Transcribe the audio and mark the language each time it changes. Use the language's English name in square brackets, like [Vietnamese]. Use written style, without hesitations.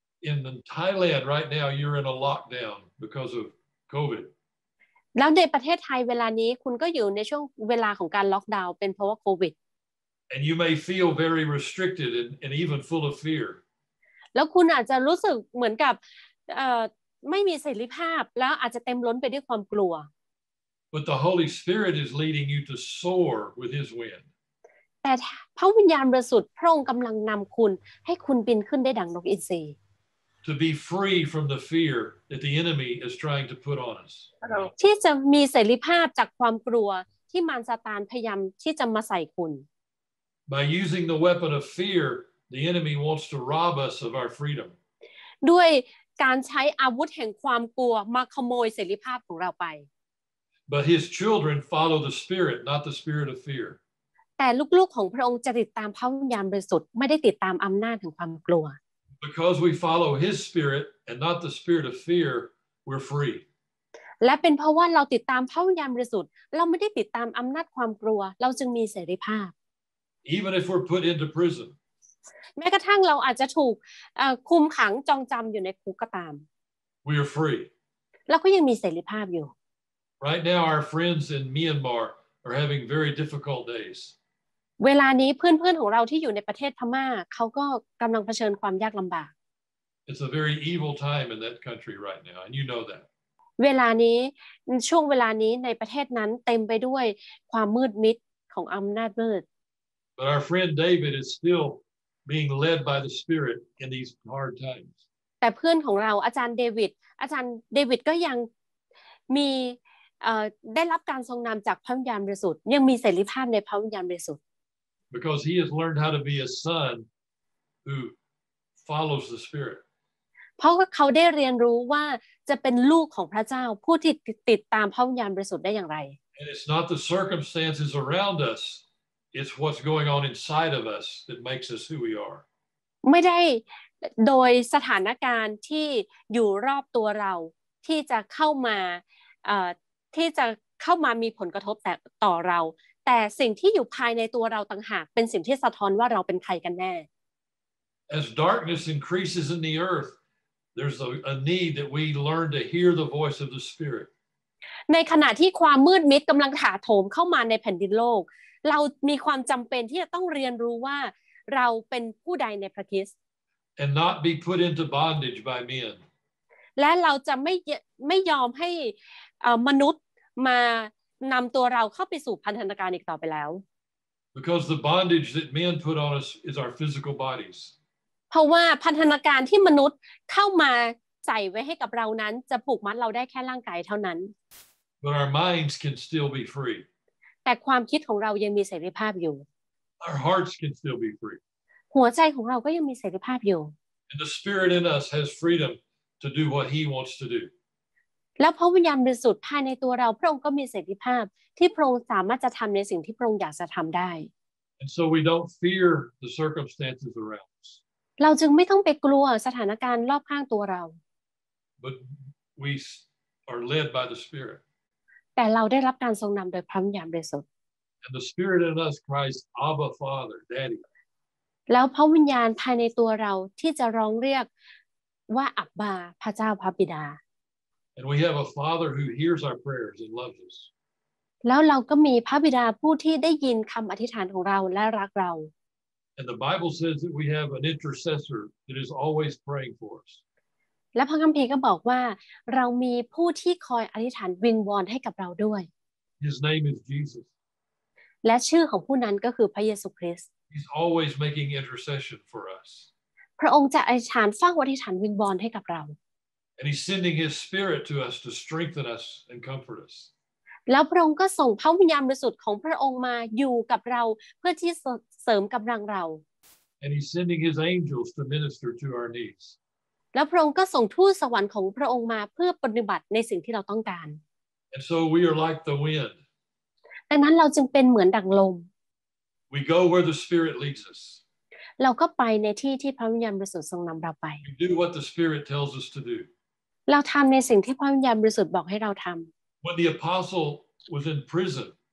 [English] In Thailand right now, you're in a lockdown because of COVID. [Thai] แล้วในประเทศไทยเวลานี้คุณก็อยู่ในช่วงเวลาของการล็อกดาวน์เป็นเพราะว่าโควิด [English] And you may feel very restricted and even full of fear. [Thai] แล้วคุณอาจจะรู้สึกเหมือนกับไม่มีเสรีภาพแล้วอาจจะเต็มล้นไปด้วยความกลัว [English] But the Holy Spirit is leading you to soar with His wind. [Thai] แต่พระวิญญาณบริสุทธิ์พระองค์กำลังนำคุณให้คุณบินขึ้นได้ดังนกอินทรี [English] To be free from the fear that the enemy is trying to put on us. [Thai] ที่จะมีเสรีภาพจากความกลัวที่มารซาตานพยายามที่จะมาใส่คุณ [English] By using the weapon of fear, the enemy wants to rob us of our freedom. [Thai] ด้วยการใช้อาวุธแห่งความกลัวมาขโมยเสรีภาพของเราไป [English] But his children follow the spirit, not the spirit of fear. [Thai] แต่ลูกๆของพระองค์จะติดตามพระวิญญาณบริสุทธิ์ไม่ได้ติดตามอำนาจแห่งความกลัว [English] Because we follow His Spirit and not the Spirit of fear, we're free. [Thai] และเป็นเพราะว่าเราติดตามพระวิญญาณบริสุทธิ์เราไม่ได้ติดตามอำนาจความกลัวเราจึงมีเสรีภาพ [English] Even if we're put into prison. [Thai] แม้กระทั่งเราอาจจะถูกคุมขังจองจำอยู่ในคุกก็ตาม [English] We are free. [Thai] เราก็ยังมีเสรีภาพอยู่ [English] Right now, our friends in Myanmar are having very difficult days. [Thai] เวลานี้เพื่อนๆของเราที่อยู่ในประเทศพม่าเขาก็กำลังเผชิญความยากลำบาก [English] It's a very evil time in that country right now, and you know that. [Thai] เวลานี้ช่วงเวลานี้ในประเทศนั้นเต็มไปด้วยความมืดมิดของอำนาจมืด [English] But our friend David is still being led by the Spirit in these hard times. [Thai] แต่เพื่อนของเราอาจารย์เดวิดอาจารย์เดวิดก็ยังมีได้รับการทรงนำจากพระวิญญาณบริสุทธิ์ยังมีเสรีภาพในพระวิญญาณบริสุทธิ์ [English] Because he has learned how to be a son who follows the Spirit. [Thai] เพราะเขาได้เรียนรู้ว่าจะเป็นลูกของพระเจ้าผู้ที่ติดตามพระวิญญาณบริสุทธิ์ได้อย่างไร [English] And it's not the circumstances around us; it's what's going on inside of us that makes us who we are. [Thai] ไม่ได้โดยสถานการณ์ที่อยู่รอบตัวเราที่จะเข้ามาที่จะเข้ามามีผลกระทบแต่ต่อเราแต่สิ่งที่อยู่ภายในตัวเราต่างหากเป็นสิ่งที่สะท้อนว่าเราเป็นใครกันแน่ [English] As darkness increases in the earth there's a need that we learn to hear the voice of the spirit [Thai] ในขณะที่ความมืดมิดกําลังถาโถมเข้ามาในแผ่นดินโลกเรามีความจําเป็นที่จะต้องเรียนรู้ว่าเราเป็นผู้ใดในพระคริสต์ [English] And not be put into bondage by men [Thai] และเราจะไม่ยอมให้มนุษย์มานำตัวเราเข้าไปสู่พันธนาการอีกต่อไปแล้ว [English] Because the bondage that men put on us is our physical bodies. [Thai] เพราะว่าพันธนาการที่มนุษย์เข้ามาใส่ไว้ให้กับเรานั้นจะผูกมัดเราได้แค่ร่างกายเท่านั้น [English] But our minds can still be free. [Thai] แต่ความคิดของเรายังมีเสรีภาพอยู่ [English] Our hearts can still be free. [Thai] หัวใจของเราก็ยังมีเสรีภาพอยู่ [English] And the spirit in us has freedom to do what he wants to do. [Thai] แล้วพระวิญญาณบริสุทธิ์ภายในตัวเราพระองค์ก็มีเสรีภาพที่พระองค์สามารถจะทำในสิ่งที่พระองค์อยากจะทำได้ [English] And so we don't fear the circumstances around us. [Thai] เราจึงไม่ต้องไปกลัวสถานการณ์รอบข้างตัวเรา [English] But we are led by the Spirit. [Thai] แต่เราได้รับการทรงนำโดยพระวิญญาณบริสุทธิ์ [English] And the Spirit in us cries, Abba, Father, Daddy. [Thai] แล้วพระวิญญาณภายในตัวเราที่จะร้องเรียกว่าอับบาพระเจ้าพระบิดา [English] And we have a father who hears our prayers and loves us. [Thai] แล้วเราก็มีพระบิดาผู้ที่ได้ยินคำอธิษฐานของเราและรักเรา [English] And the Bible says that we have an intercessor that is always praying for us. [Thai] และพระคัมภีร์ก็บอกว่าเรามีผู้ที่คอยอธิษฐานวิงวอนให้กับเราด้วย [English] His name is Jesus. [Thai] และชื่อของผู้นั้นก็คือพระเยซูคริสต์ [English] He's always making intercession for us. [Thai] พระองค์จะอธิษฐานเฝ้าอธิษฐานวิงวอนให้กับเรา [English] And he's sending his spirit to us to strengthen us and comfort us. [Thai] แล้วพระองค์ก็ส่งพระวิญญาณบริสุทธิ์ของพระองค์มาอยู่กับเราเพื่อที่เสริมกําลังเรา [English] And he's sending his angels to minister to our needs. [Thai] แล้วพระองค์ก็ส่งทูตสวรรค์ของพระองค์มาเพื่อปฏิบัติในสิ่งที่เราต้องการ [English] And so we are like the wind. [Thai] ดังนั้นเราจึงเป็นเหมือนดังลม [English] We go where the spirit leads us. [Thai] เราก็ไปในที่ที่พระวิญญาณบริสุทธิ์ทรงนําเราไป [English] We do what the spirit tells us to do. [Thai] เราทำในสิ่งที่พระวิญญาณบริสุทธิ์บอกให้เราทำ [English] When the apostle was in prison,